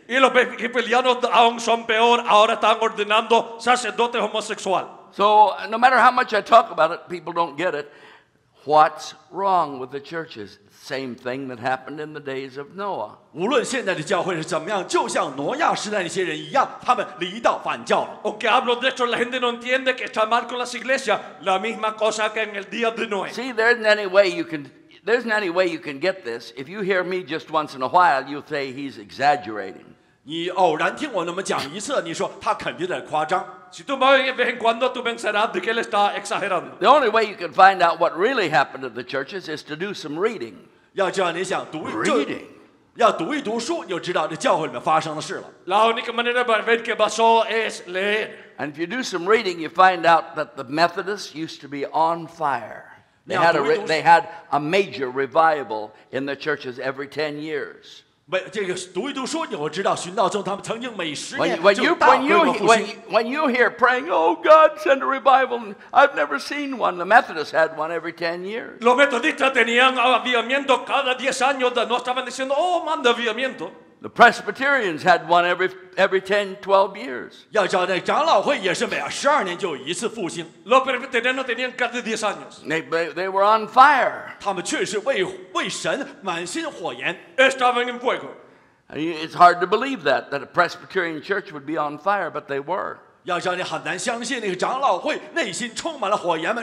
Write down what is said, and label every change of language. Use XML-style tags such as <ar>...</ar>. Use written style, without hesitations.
<es>Y los episcopalianos aún son peor, ahora están ordenando sacerdotes homosexual.</es> <en>So no matter how much I talk about it, people don't get it. What's wrong with the churches? Same thing that happened in the days of Noah.</en> <zh>无论现在的教会是怎么样，就像挪亚时代那些人一样，他们离道反教了。</zh> <es>Aunque hablo de esto, la gente no entiende que está mal con las iglesias, la misma cosa que en el día de Noé.</es> <en>See, there isn't any way you can get this. If you hear me just once in a while, you'll say he's exaggerating.</en> <zh>你偶然听我那么讲一次，你说他肯定在夸张。</zh> <es>Si tú me oyes de vez en cuando, tú pensarás de que él está exagerando.</es> <en>The only way you can find out what really happened to the churches is to do some reading.</en> <zh>要知道你想读一读，要读一读书，你就知道这教会里面发生的事了。</zh> <es>La única manera para ver qué pasó es leer.</es> <en>And if you do some reading, you find out that the Methodists used to be on fire. They had a major revival in the churches every 10 years.</en> <zh>这个读一读书，你会知道寻道中他们曾经每十年就大规模复兴。</zh> <en>When you hear praying, oh God, send a revival, I've never seen one. The Methodists had one every 10 years.</en> <es>Los metodistas tenían avivamiento cada 10 años. No estaban diciendo, oh, manda avivamiento.</es> <en>The Presbyterians had one every 10-12 years.</en> <zh>要叫那长老会也是每12年就一次复兴。</zh> <es>Los presbiterianos tenían cada 10 años.</es> <en>They were on fire.</en> <zh>他们确实为神满心火焰。</zh> <es>Estaban en fuego.</es> <en>It's hard to believe that a Presbyterian church would be on fire, but they were.</en> <zh>要叫你很难相信那个长老会内心充满了火焰吗？</zh>